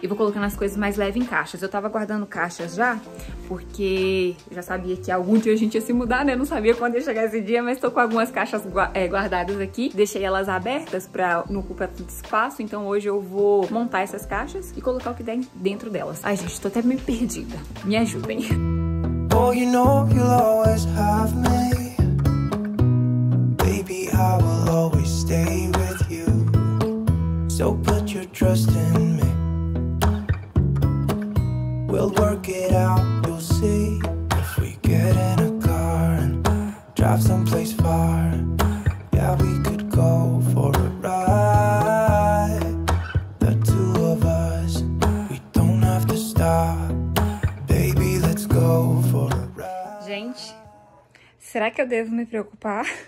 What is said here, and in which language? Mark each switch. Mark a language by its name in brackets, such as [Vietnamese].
[Portuguese] E vou colocando as coisas mais leves em caixas. Eu tava guardando caixas já, porque já sabia que algum dia a gente ia se mudar, né? Não sabia quando ia chegar esse dia, mas tô com algumas caixas guardadas aqui. Deixei elas abertas pra não ocupar tanto espaço. Então hoje eu vou montar essas caixas e colocar o que der dentro delas. Ai, gente, tô até meio perdida. Me ajudem. [English] Oh, you know you'll always have me. Baby, I will always stay with you. So put your trust in me. We'll work it out, you'll see. If we get in a car and drive someplace far, yeah, we could go for a ride. The two of us, we don't have to stop. Baby, let's go for a ride. [Portuguese] Gente, será que eu devo me preocupar?